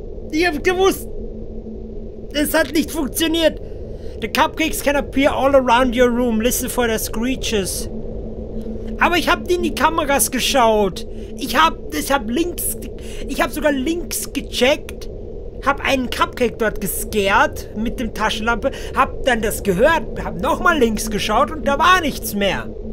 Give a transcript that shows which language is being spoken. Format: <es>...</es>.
<de>Ich hab gewusst, es hat nicht funktioniert.</de> <en>The cupcakes can appear all around your room. Listen for their screeches.</en> <de>Aber ich hab in die Kameras geschaut. Ich hab sogar links gecheckt. Hab einen Cupcake dort gescared mit dem Taschenlampe. Hab dann das gehört. Hab nochmal links geschaut und da war nichts mehr.</de>